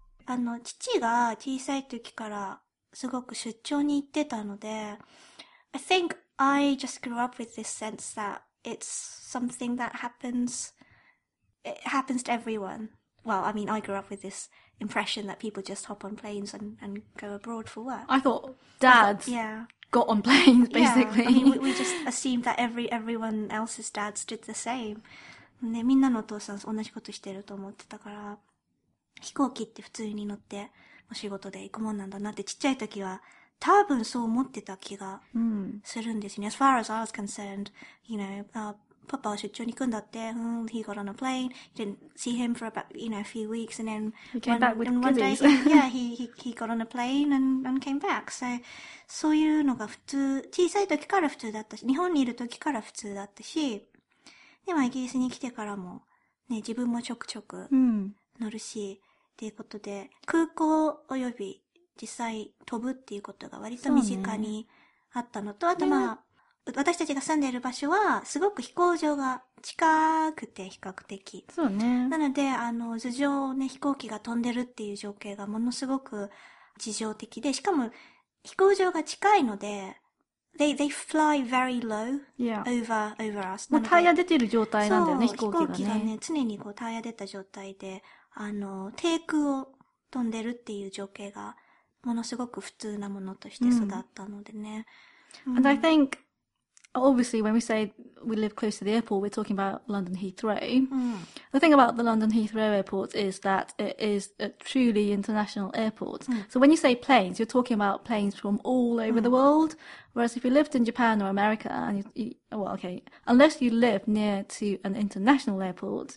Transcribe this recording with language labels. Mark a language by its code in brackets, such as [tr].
[ja] 父が小さい時からすごく出張に行ってたので、 [en] I think I just grew up with this sense that it's something that happens. It happens to everyone. Well, I mean, I grew up with this impression that people just hop on planes and go abroad for work. I thought dads got on planes, basically. Yeah, I mean, we just assumed that everyone else's dads did the same. [ja] ね、みんなのお父さん同じことしてると思ってたから、飛行機って普通に乗ってお仕事で行くもんなんだなってちっちゃい時は多分そう思ってた気がするんですよね。 [en] As far as I was concerned, you know, [ja] パパは出張に行くんだって、 [en] he got on a plane, you didn't see him for about, you know, a few weeks, and then one day, he got on a plane and came back. [ja] So, そういうのが普通、小さい時から普通だったし、日本にいる時から普通だったし、でもイギリスに来てからも、ね、自分もちょくちょく乗るし、と、いうことで、空港及び、実際飛ぶっていうことが割と身近にあったのと、ね、あとまあ、ね、私たちが住んでいる場所はすごく飛行場が近くて比較的。そうね。なので、頭上をね、飛行機が飛んでるっていう情景がものすごく日常的で、しかも飛行場が近いので、 [en] they fly very low over us。 [ja] もうタイヤ出てる状態なんだよね、飛行機がね。飛行機がね、常にこうタイヤ出た状態で、低空を飛んでるっていう情景が、ものすごく普通なものとして育ったのでね。 [en] And I think, obviously, when we say we live close to the airport, we're talking about London Heathrow.、The thing about the London Heathrow airport is that it is a truly international airport.、So when you say planes, you're talking about planes from all over、the world. Whereas if you lived in Japan or America, and unless you live near to an international airport.